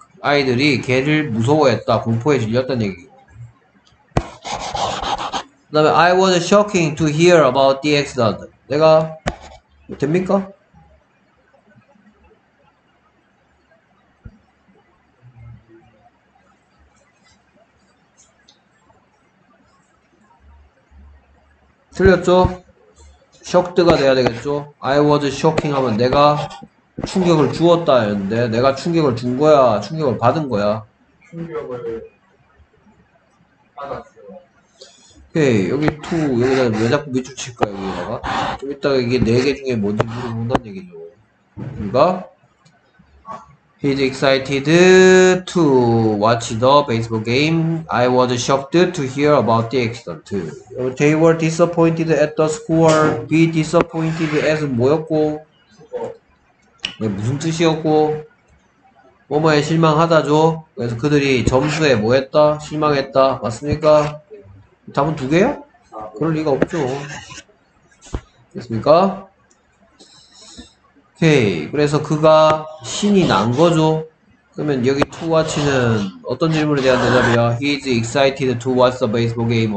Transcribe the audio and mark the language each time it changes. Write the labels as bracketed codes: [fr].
[ko] 아이들이 개를 무서워했다. 공포에 질렸단 얘기. 그다음에 [en] I was shocking to hear about the accident. [ko] 내가 됩니까? 틀렸죠? shocked가 돼야 되겠죠? [en] I was shocking [ko] 하면 내가 충격을 주었다였는데 내가 충격을 준 거야, 충격을 받은 거야. 충격을 받았어요. 오케이, 여기 2, 여기다 왜 자꾸 밑줄 칠까, 여기다가? 좀 이따가 이게 4개 중에 뭔지 물어본다는 얘기죠. 그니까, [en] He's excited to watch the baseball game. I was shocked to hear about the accident. They were disappointed at the score. Be disappointed as [ko] 뭐였고? 무슨 뜻이었고? 뭐뭐에 실망하다죠? 그래서 그들이 점수에 뭐했다? 실망했다. 맞습니까? 답은 두 개야? 그럴 리가 없죠. 됐습니까? 오케이. 그래서 그가 신이 난 거죠. 그러면 여기 to watch는 어떤 질문에 대한 대답이야? [en] He is excited to watch the baseball game.